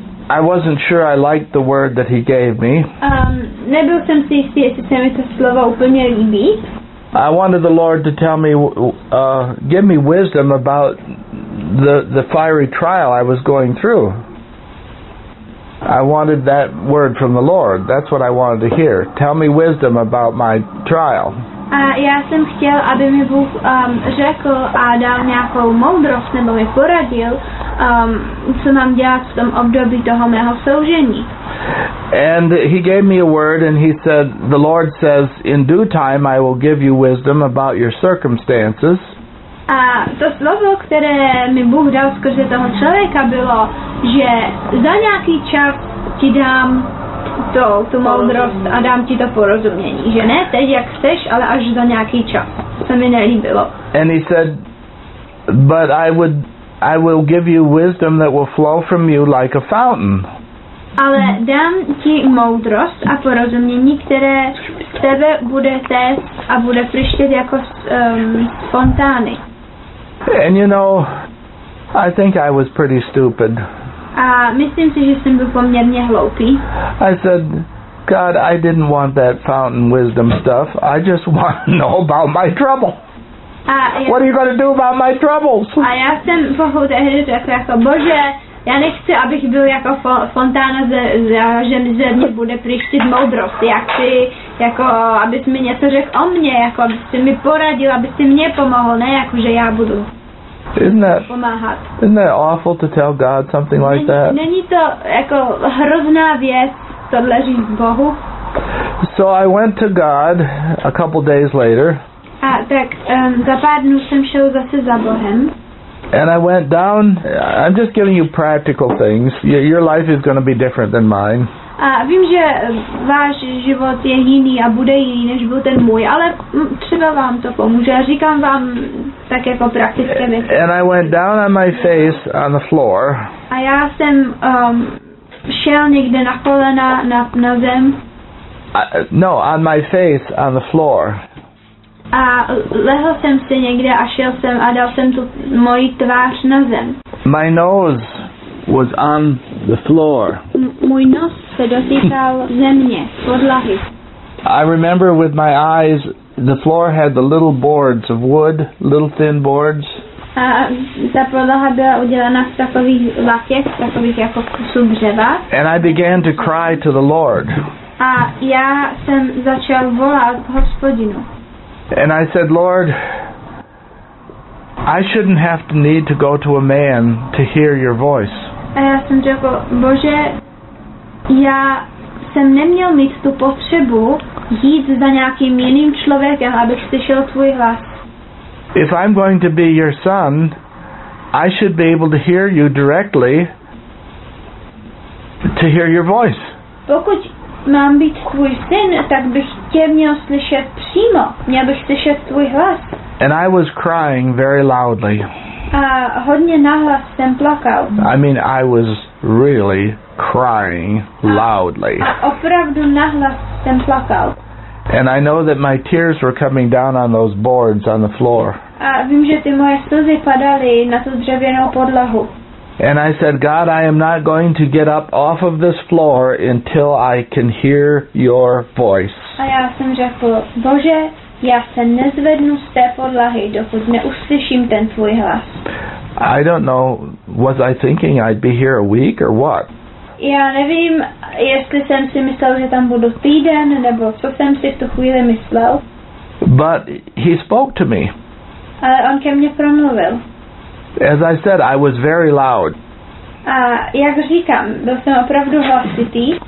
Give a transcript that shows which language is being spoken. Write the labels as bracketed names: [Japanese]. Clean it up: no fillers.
[English] I wasn't sure I liked the word that he gave me. [Czech] Nebyl jsem si jistý, jestli se mi to slovo úplně líbí. [English] I wanted the Lord to tell me, give me wisdom about the fiery trial I was going through. I wanted that word from the Lord. That's what I wanted to hear. Tell me wisdom about my trial. [Czech] A já jsem chtěl, aby mi Bůh řekl a dal nějakou moudrost nebo mi poradil, co mám dělat v tom období toho mého soužení. [English] And he gave me a word and he said, the Lord says, in due time I will give you wisdom about your circumstances. [Czech] A to slovo, které mi Bůh dal skrze toho člověka, bylo, že za nějaký čas ti dám tu moudrost a dám ti to porozumění. Že ne teď, jak chceš, ale až za nějaký čas. To mi nelíbilo. [English] And he said, but I will give you wisdom that will flow from you like a fountain. [Czech] Ale dám ti moudrost a porozumění, které z tebe bude téct a bude prštět jako fontány. [English] And you know, I think I was pretty stupid. [Czech] A myslím si, že jsem byl poměrně hloupý. [English] I said, God, I didn't want that fountain wisdom stuff. I just want to know about my trouble. What are you going to do about my troubles? [Czech] A já jsem pochopil tehdy řekl jako, Bože, já nechci, abych byl jako fontána, že mi ze mě bude prýštit moudrost. Já chci, jako, abys mi něco řekl o mně, jako, abys mi poradil, abys mi pomohl, ne jako, že já budu. [English] Isn't that awful to tell God something like that? [Czech] Není to jako hrozná věc tohle říct Bohu? [English] So I went to God a couple days later. [Czech] A tak za pár dnů jsem šel zase za Bohem. [English] And I went down. I'm just giving you practical things. Your life is going to be different than mine. [Czech] A vím, že váš život je jiný a bude jiný, než byl ten můj, ale třeba vám to pomůže. Říkám vám tak jako praktické věci. [English] And I went down on my face on the floor. [Czech] A já jsem šel někde na kolena na zem. [English] No, on my face on the floor. [Czech] A lehl jsem si někde a šel jsem a dal jsem tu moji tvář na zem. [English] My nose was on the floor. [Czech] Můj nos se dotýkal země, podlahy. [English] I remember with my eyes, the floor had the little boards of wood, little thin boards. [Czech] A ta podlaha byla udělaná z takových laket, takových jako kusů dřeva. [English] And I began to cry to the Lord. [Czech] A já jsem začal volat Hospodinu. [English] And I said, Lord, I shouldn't have to need to go to a man to hear your voice. [Czech] A já jsem řekl, Bože, já jsem neměl mít tu potřebu jít za nějakým jiným člověkem, abych slyšel tvůj hlas. [English] If I'm going to be your son, I should be able to hear you directly to hear your voice. [Czech] Pokud mám být tvůj syn, tak bych tě měl slyšet přímo. Měl bych slyšet tvůj hlas. [English] And I was crying very loudly. [Czech] A hodně nahlas jsem plakal. [English] I mean, I was really crying loudly. [Czech] A opravdu nahlas jsem plakal. [English] And I know that my tears were coming down on those boards on the floor. [Czech] A vím, že ty moje slzy padaly na tu dřevěnou podlahu. [English] And I said, God, I am not going to get up off of this floor until I can hear your voice. [Czech] A já jsem řekl, Bože, já se nezvednu z té podlahy, dokud neuslyším ten tvůj hlas. [English] I don't know, was I thinking I'd be here a week or what? [Czech] Já nevím, jestli jsem si myslel, že tam budu týden, nebo co jsem si v tu chvíli myslel. [English] But he spoke to me. [Czech] Ale on ke mně promluvil. [English] As I said, I was very loud. [Czech] A jak říkám, byl jsem opravdu hlasitý.